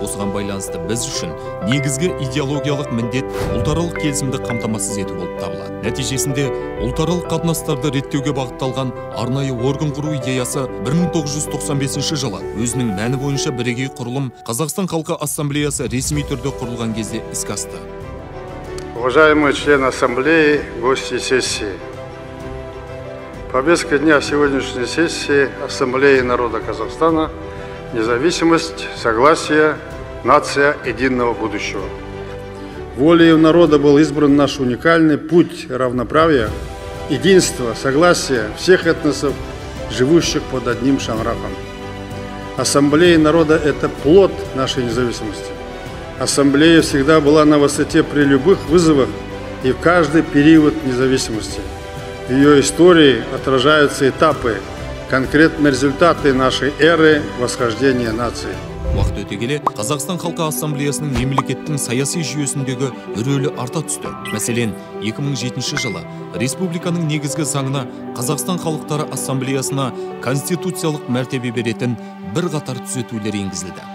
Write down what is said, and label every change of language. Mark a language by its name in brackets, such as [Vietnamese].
[Kazakh] Осыған байланысты біз үшін негізгі идеологиялық міндет ұлтаралық келісімді қамтамасыз ету болып табылады. Нәтижесінде ұлтаралық қатынастарды реттеуге бағытталған арнайы орган құру идеясы 1995 жылы өзінің мәні бойынша бірегей құрылым Қазақстан халқы ассамблеясы ресми түрде құрылған кезде іске асты. [Russian] Уважаемые члены ассамблеи, гости сессии. Повестка дня сегодняшней сессии Ассамблеи народа Казахстана. Независимость, согласие, нация единого будущего. Волею народа был избран наш уникальный путь равноправия, единства, согласия всех этносов, живущих под одним шанраком. Ассамблея народа – это плод нашей независимости. Ассамблея всегда была на высоте при любых вызовах и в каждый период независимости. В ее истории отражаются этапы, конкретные результаты нашей эры восхождения нации. [Kazakh] Уақыт өте келе, Қазақстан халқы ассамблеясының мемлекеттің саяси жүйесіндегі рөлі арта түсті. Мәселен, 2007 жылы республиканың негізгі заңына Қазақстан халықтары ассамблеясына конституциялық мәртебе беретін бір қатар түзетулер енгізілді.